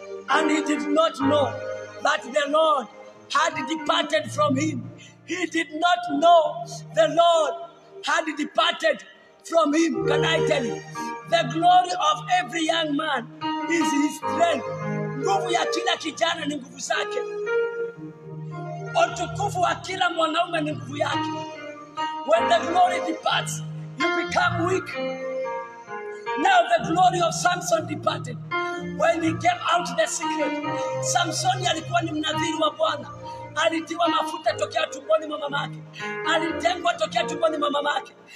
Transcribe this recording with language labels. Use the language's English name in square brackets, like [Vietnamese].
[English] And he did not know that the Lord had departed from him. He did not know the Lord had departed from him. Can I tell you? The glory of every young man is his strength. [Swahili] Nguvu ya kila kijana ni nguvu zake. Utukufu wa kila mwanaume ni nguvu yake. [English] When the glory departs, you become weak. Now the glory of Samson departed. When he gave out the secret, [Swahili] Samson alikuwa ni mnadhiri wa Bwana. Alitiwa mafuta tokea tumboni mwa mamake. Alitengwa tokea tumboni mwa mamake.